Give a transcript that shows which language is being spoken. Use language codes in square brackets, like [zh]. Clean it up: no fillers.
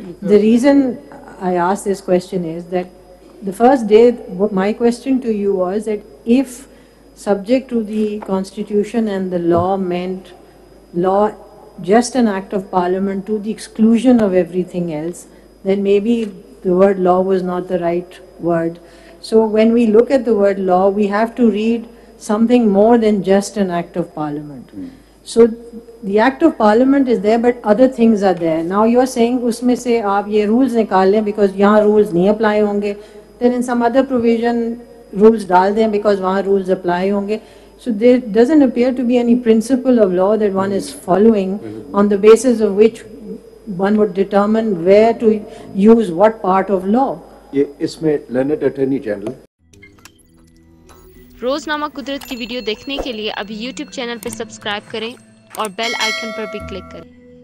[en] The reason I ask this question is that the first day my question to you was that if subject to the constitution and the law meant law just an act of parliament to the exclusion of everything else, then maybe the word law was not the right word. So when we look at the word law, we have to read something more than just an act of parliament. So the act of parliament is there, but other things are there. Now you are saying [hi] usme se aap ye rules nikal le [en] because [hi] yahan rules nahi apply honge, [en] then in some other provision rules [hi] dal de [en] because [hi] wahan rules apply honge. [en] So there doesn't appear to be any principle of law that one is following on the basis of which one would determine where to use what part of law. [hi] Ye isme Leonard Attorney General. रोज़नामा कुदरत की video देखने के लिए अभी YouTube channel पर subscribe करें और bell icon पर भी क्लिक करें।